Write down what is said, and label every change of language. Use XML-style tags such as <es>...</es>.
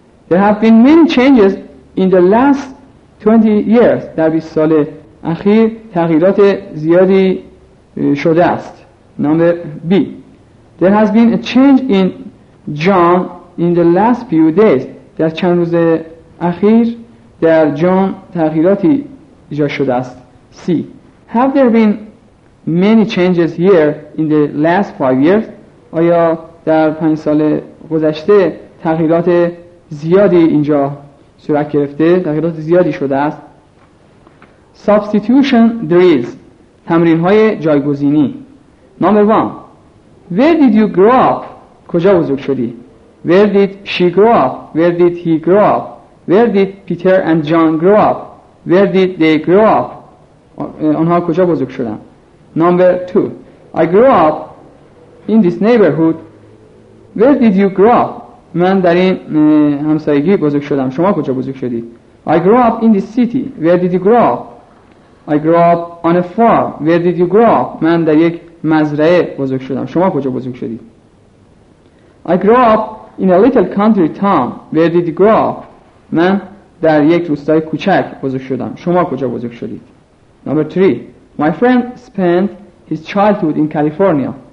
<en>There have been many changes in the last 20 years.</en> <fa>در 20 سال اخیر تغییرات زیادی شده است.</fa> <en>Number B. There has been a change in John in the last few days.</en> <fa>در چند روز اخیر در جان تغییراتی ایجاد شده است.</fa> <en>C. Have there been many changes here in the last 5 years?</en> <fa>آیا در 5 سال گذشته تغییرات زیادی اینجا صورت گرفته، تغییرات زیادی شده است.</fa> <en>Substitution drills،</en> <fa>تمرین های جایگزینی.</fa> <en>Number one، Where did you grow up؟</en> <fa>کجا بزرگ شدی؟</fa> <en>Where did she grow up؟ Where did he grow up؟ Where did Peter and John grow up؟ Where did they grow up؟</en> <fa>آنها کجا بزرگ شدن؟</fa> <en>Number two، I grew up in this neighborhood. Where did you grow up؟</en> <fa>من در این همسایگی بزرگ شدم. شما کجا بزرگ شدید؟</fa> <en>I grew up in this city. Where did you grow up؟ I grew up on a farm. Where did you grow up؟</en> <fa>من در یک مزرعه بزرگ شدم. شما کجا بزرگ شدید؟</fa> <en>I grew up in a little country town. Where did you grow up؟</en> <fa>من در یک روستای کوچک بزرگ شدم. شما کجا بزرگ شدید؟</fa> <en>Number three. My friend spent his childhood in California.</en>